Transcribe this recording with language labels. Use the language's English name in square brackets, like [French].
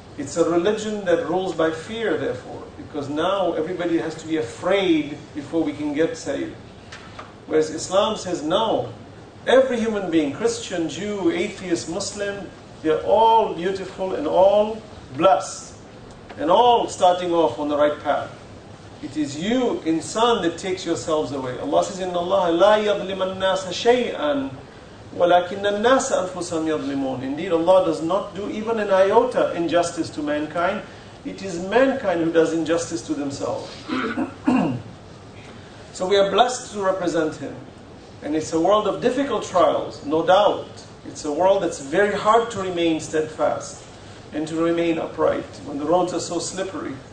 [English] It's a religion that rules by fear, therefore, because now everybody has to be afraid before we can get saved. Whereas Islam says, no, every human being, Christian, Jew, atheist, Muslim, they're all beautiful and all blessed, and all starting off on the right path. It is you, insan, that takes yourselves away. Allah says, [Arabic] إِنَّ اللَّهَ لَا يَظْلِمَ النَّاسَ شَيْئًا. وَلَكِنَّ النَّاسَ أَنفُسَهُمْ يَظْلِمُونَ. [English] Indeed, Allah does not do even an iota injustice to mankind. It is mankind who does injustice to themselves. So we are blessed to represent Him. And it's a world of difficult trials, no doubt. It's a world that's very hard to remain steadfast and to remain upright when the roads are so slippery.